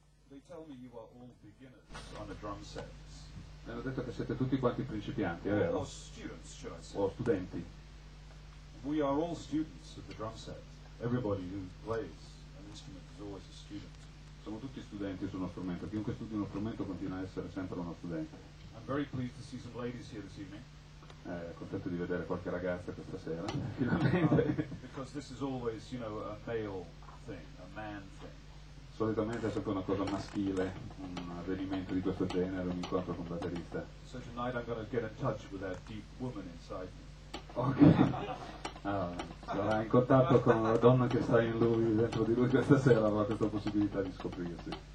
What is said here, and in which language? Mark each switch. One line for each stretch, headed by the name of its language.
English: They tell me you are all beginners on the drum set.
Italian: Mi hanno detto che siete tutti quanti principianti, è vero?
English: Or students, should I say.
Italian: Or studenti.
English: We are all students of the drum set. Everybody who plays an instrument is always a student.
Italian: Siamo tutti studenti su uno strumento. Chiunque studi uno strumento continua a essere sempre uno studente.
English: I'm very pleased to see some ladies here this evening.
Italian: Contento di vedere qualche ragazza questa sera, finalmente.
English: Because this is always, you know, a male thing, a man thing.
Italian: Solitamente è sempre una cosa maschile, un avvenimento di questo genere, un incontro con un batterista.
English: So tonight I'm going to get in touch with that deep woman inside me. Ok.
Italian: Sarà in contatto con la donna che sta in lui, dentro di lui questa sera, avrà questa possibilità di scoprirsi.